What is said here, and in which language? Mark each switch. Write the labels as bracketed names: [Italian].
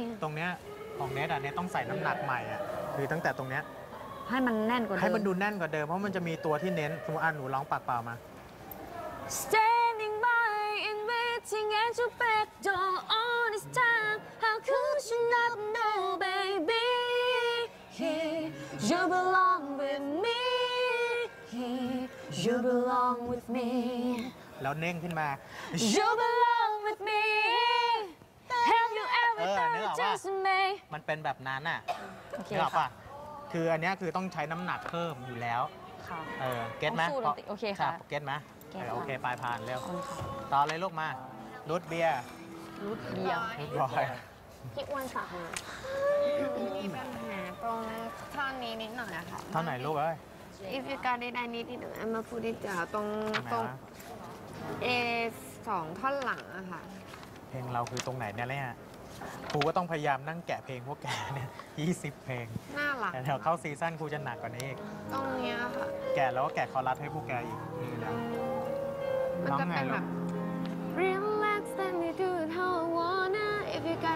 [Thai] ตรงเนี้ยของเน็ตอ่ะเน็ตต้องใส่น้ำหนักใหม่อ่ะคือตั้งแต่ตรงเนี้ย ให้มันแน่นกว่าเดิ ม ให้มันดูแน่นกว่าเดิมเพราะมันจะมีตัวที่เน้นสมมติหนูร้องปากเปล่ามา [English] Standing by and waiting at your back door all this time How could you not know, baby? You belong with me You belong with me [Thai] แล้วเน่งขึ้นมา [English] You belong with me Have you ever thought just me? [Thai] มันเป็นแบบนั้นอ่ะนึกออกป่ะคืออันนี้คือต้องใช้น้ำหนักเพิ่มอยู่แล้ว ค่ะ เก็ตไหม โอเคค่ะ เก็ตไหมโอเคปลายผ่านแล้ว ต่อ เลยลูกมาลูดเบียร์ลูดเบียร์เรียบร้อย พี่อ้วนสาวมีปัญหาตรงท่อนนี้นิดหน่อยนะคะ ท่อนไหนลูกเอ้ย [English] If you got it I need it I'm a put it down [Thai] ตรง A 2ท่อนหลังอะค่ะ เพลงเราคือตรงไหนเนี่ยเนี่ยครูก็ต้องพยายามนั่งแกะเพลงพวกแกเนี่ย20เพลง น่ารัก แต่เดี๋ยวเข้าซีซั่นครูจะหนักกว่านี้อีก ตรงเนี้ยค่ ะ แกะแล้วก็แกะคอรัสให้พวกแกอีกนี่นะ มันจะเป็นแบบ [English] Relax then you do it how I wanna If you